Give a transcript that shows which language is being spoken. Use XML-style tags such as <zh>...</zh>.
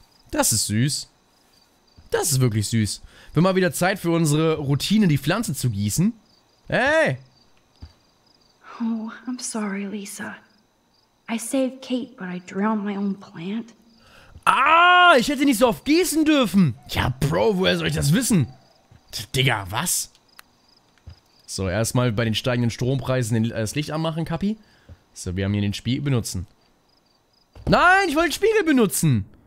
<de>Das ist süß. Das ist wirklich süß. Wird mal wieder Zeit für unsere Routine, die Pflanze zu gießen. Hey!</de> <en>Oh, I'm sorry, Lisa. I saved Kate, but I drowned my own plant.</en> <de>Ah, ich hätte nicht so oft gießen dürfen. Ja, Bro, woher soll ich das wissen? Digga, was? So, erstmal bei den steigenden Strompreisen das Licht anmachen, Kapi. So, wir haben hier den Spiegel benutzen. Nein, ich wollte den Spiegel benutzen!</de>